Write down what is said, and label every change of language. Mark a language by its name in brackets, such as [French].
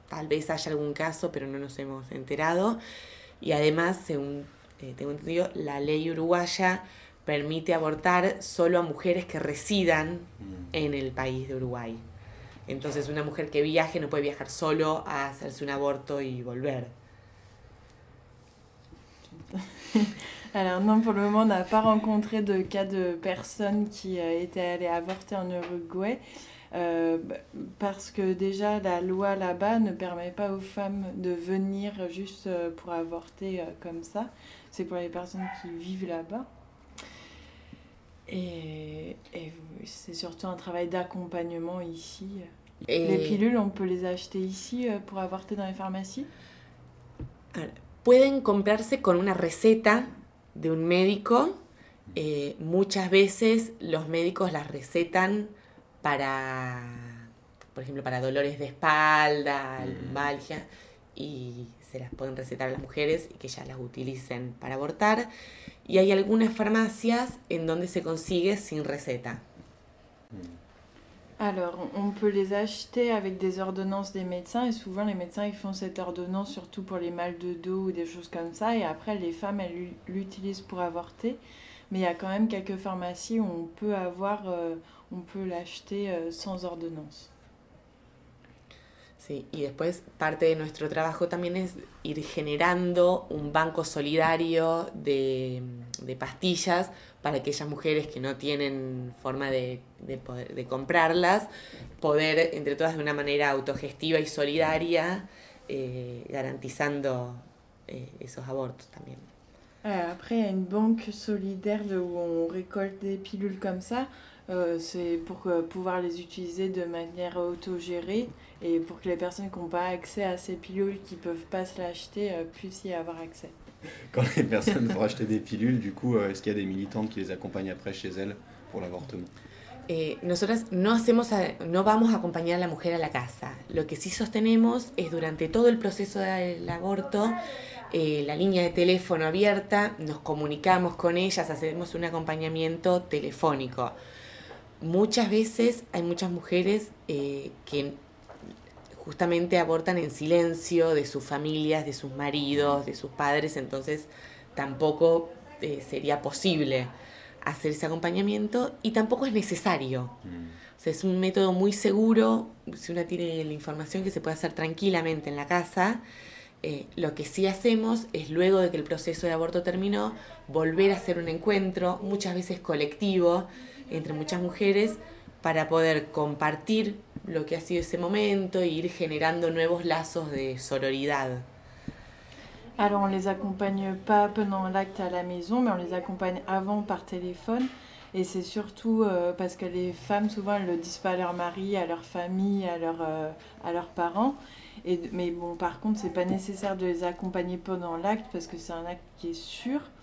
[Spanish] Tal vez haya algún caso, pero no nos hemos enterado. Y además, según tengo entendido, la ley uruguaya permite abortar solo a mujeres que residan en el país de Uruguay. Entonces, una mujer que viaje no puede viajar solo a hacerse un aborto y volver. [French] Alors non, pour le moment, on n'a pas rencontré de cas de personnes qui étaient allées avorter en Uruguay parce que déjà, la loi là-bas ne permet pas aux femmes de venir juste pour avorter comme ça. C'est pour les personnes qui vivent là-bas. Et c'est surtout un travail d'accompagnement ici. Les pilules, on peut les acheter ici pour avorter dans les pharmacies? [Spanish] Pueden comprarse con una receta de un médico. Muchas veces los médicos las recetan para, por ejemplo, para dolores de espalda, lumbalgia, y se las pueden recetar a las mujeres y que ya las utilicen para abortar. Y hay algunas farmacias en donde se consigue sin receta. [French] Alors, on peut les acheter avec des ordonnances des médecins et souvent les médecins ils font cette ordonnance surtout pour les mal de dos ou des choses comme ça et après les femmes elles l'utilisent pour avorter. Mais il y a quand même quelques pharmacies où on peut l'acheter sans ordonnance. [Spanish] Sí, y después parte de nuestro trabajo también es ir generando un banco solidario de pastillas para aquellas mujeres que no tienen forma de poder, de comprarlas, poder entre todas de una manera autogestiva y solidaria, garantizando esos abortos también. [French] Après, il y a une banque solidaire de où on récolte des pilules comme ça. C'est pour pouvoir les utiliser de manière autogérée et pour que les personnes qui n'ont pas accès à ces pilules, qui ne peuvent pas se l'acheter, puissent y avoir accès. Quand les personnes vont acheter des pilules, du coup, est-ce qu'il y a des militantes qui les accompagnent après chez elles pour l'avortement? [Spanish] Nosotras no vamos a acompañar a la mujer a la casa. Lo que sí sostenemos es durante todo el proceso del aborto, la línea de teléfono abierta, nos comunicamos con ellas, hacemos un acompañamiento telefónico. Muchas veces hay muchas mujeres que justamente abortan en silencio de sus familias, de sus maridos, de sus padres, entonces tampoco sería posible hacer ese acompañamiento y tampoco es necesario. O sea, es un método muy seguro, si una tiene la información, que se puede hacer tranquilamente en la casa. Lo que sí hacemos es, luego de que el proceso de aborto terminó, volver a hacer un encuentro, muchas veces colectivo, entre muchas mujeres, para poder compartir lo que ha sido ese momento e ir generando nuevos lazos de sororidad. [French] Alors, on ne les accompagne pas pendant l'acte à la maison, mais on les accompagne avant par téléphone. Et c'est surtout parce que les femmes, souvent, elles ne le disent pas à leur mari, à leur famille, à leurs parents. Mais bon, par contre, ce n'est pas nécessaire de les accompagner pendant l'acte parce que c'est un acte qui est sûr.